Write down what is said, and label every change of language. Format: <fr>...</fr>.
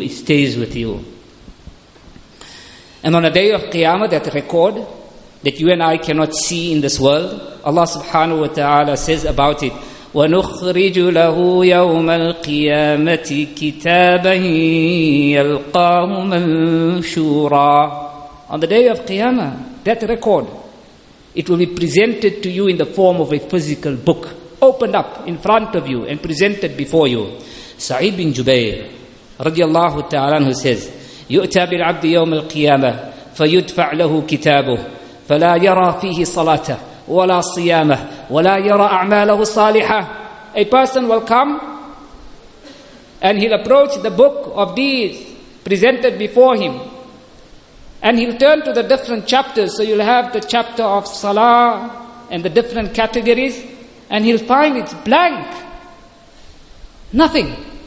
<en>It stays with you. And on a day of Qiyamah, that record that you and I cannot see in this world, Allah</en> <ar>subhanahu wa ta'ala</ar> <en>says about it,</en> <ar>وَنُخْرِجُ لَهُ يَوْمَ الْقِيَامَةِ كِتَابًا يَلْقَاهُ مَنْشُورًا.</ar> <en>On the day of Qiyamah, that record, it will be presented to you in the form of a physical book, opened up in front of you and presented before you. Sa'id bin Jubair, radiallahu ta'ala, who says,</en> <ar>يُؤْتَى بِالْعَبْدِ يَوْمَ الْقِيَامَةِ فَيُدْفَعْ لَهُ كِتَابُهُ فَلَا يَرَى فِيهِ صَلَاتَهُ وَلَا صِيَامَهُ وَلَا يَرَى أَعْمَالَهُ صَالِحَةُ.</ar> <en>A person will come and he'll approach the book of deeds presented before him. And he'll turn to the different chapters. So you'll have the chapter of Salah and the different categories. And he'll find it's blank. Nothing.</en>